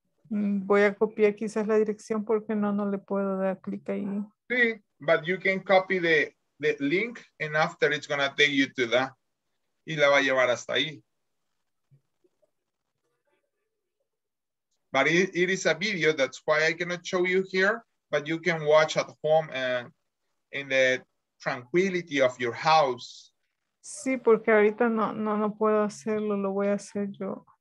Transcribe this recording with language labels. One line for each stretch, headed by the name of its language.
Spanish: Voy a copiar quizás la dirección porque no le puedo dar clic ahí. Sí,
English: but you can copy the link, and after it's going to take you to that.
Spanish: Y la va a llevar hasta ahí.
English: But it is a video, that's why I cannot show you here, but you can watch at home and in the tranquility of your house.
Spanish: Sí, porque ahorita no puedo hacerlo, lo voy a hacer yo.